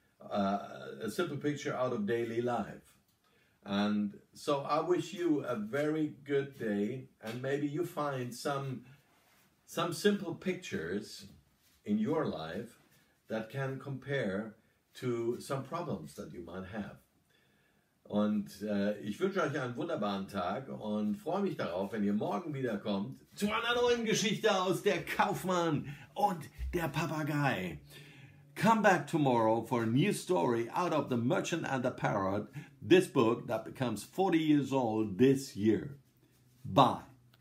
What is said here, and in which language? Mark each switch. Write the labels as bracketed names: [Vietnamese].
[English] a simple picture out of daily life. And so I wish you a very good day, and maybe you find some simple pictures in your life that can compare to some problems that you might have. [German] Und ich wünsche euch einen wunderbaren Tag und freue mich darauf, wenn ihr morgen wiederkommt zu einer neuen Geschichte aus der Kaufmann und der Papagei. [English] Come back tomorrow for a new story out of The Merchant and the Parrot, this book that becomes 40 years old this year. Bye.